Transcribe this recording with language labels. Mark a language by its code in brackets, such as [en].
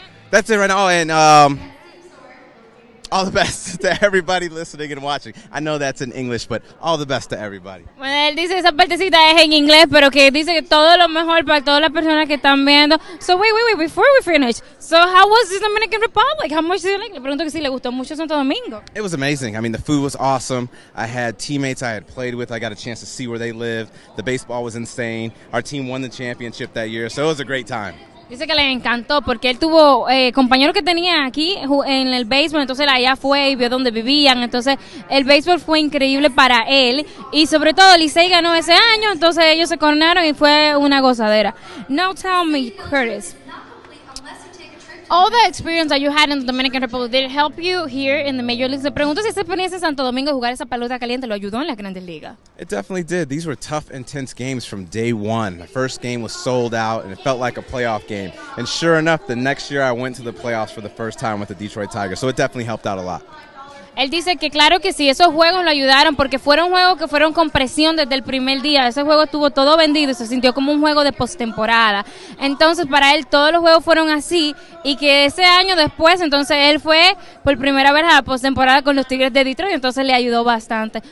[en] That's it right now, and all the best to everybody listening and watching. I know that's in English, but all the best to everybody. [es] Bueno, él dice esa partecita es en inglés, pero que dice que todo lo mejor para todas las personas que están viendo. [en] So, wait, before we finish. So, how was the Dominican Republic? How much did you like? [es] Le pregunto que si le gustó mucho Santo Domingo. [en] It was amazing. I mean, the food was awesome. I had teammates I had played with. I got a chance to see where they live. The baseball was insane. Our team won the championship that year, so it was a great time. [es] Dice que le encantó porque él tuvo compañeros que tenía aquí en el béisbol, entonces allá fue y vio donde vivían, entonces el béisbol fue increíble para él y sobre todo Licey ganó ese año, entonces ellos se coronaron y fue una gozadera. [en] Now tell me, Curtis, all the experience that you had in the Dominican Republic, did it help you here in the Major Leagues? [es] Le pregunto si esa experiencia en Santo Domingo jugar esa pelota caliente lo ayudó en las Grandes Ligas. [en] It definitely did. These were tough, intense games from day one. The first game was sold out, and it felt like a playoff game. And sure enough, the next year I went to the playoffs for the first time with the Detroit Tigers, so it definitely helped out a lot. [es] Él dice que claro que sí, esos juegos lo ayudaron porque fueron juegos que fueron con presión desde el primer día. Ese juego estuvo todo vendido y se sintió como un juego de postemporada. Entonces para él todos los juegos fueron así y que ese año después, entonces él fue por primera vez a la postemporada con los Tigres de Detroit y entonces le ayudó bastante.